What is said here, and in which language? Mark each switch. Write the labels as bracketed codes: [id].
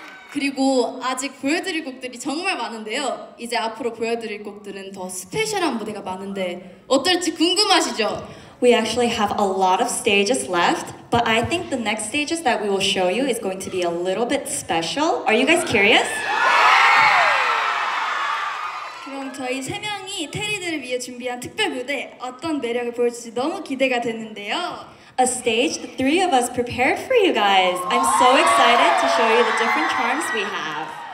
[ko] 그리고 아직 보여드릴 곡들이 정말 많은데요. 이제 앞으로 보여드릴 곡들은 더 스페셜한 무대가 많은데 어떨지 궁금하시죠? [en] We actually have a lot of stages left, but I think the next stages that we will show you is going to be a little bit special. Are you guys curious? [ko] 그럼 저희 세 명이 테리들을 위해 준비한 특별 무대 어떤 매력을 보여줄지 너무 기대가 되는데요. [en] A stage the three of us prepared for you guys. I'm so excited to show you the different charms we have.